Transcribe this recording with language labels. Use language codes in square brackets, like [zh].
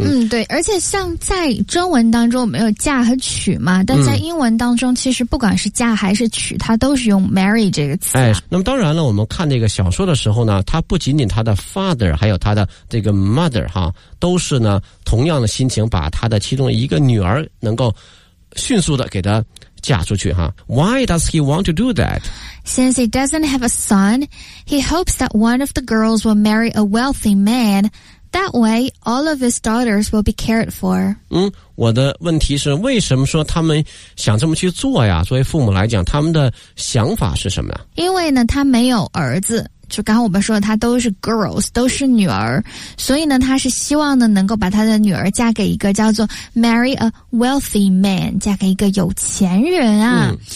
[zh] 对，而且像在中文当中没有嫁和娶嘛，但在英文当中其实不管是嫁还是娶它都是用 marry 这个词、啊、哎，那么当然了我们看这个小说的时候呢它不仅仅它的 father 还有它的这个 mother 哈，都是呢同样的心情把它的其中一个女儿能够迅速的给它嫁出去哈。 [en] Why does he want to do that? Since he doesn't have a son, he hopes that one of the girls will marry a wealthy man. That way, all of his daughters will be cared for. [zh] 我的问题是为什么说他们想这么去做呀？作为父母来讲，他们的想法是什么呀？因为呢，他没有儿子，就刚刚我们说的他都是 girls， 都是女儿，所以呢，他是希望呢，能够把他的女儿嫁给一个叫做 [en] marry a wealthy man， [zh] 嫁给一个有钱人啊。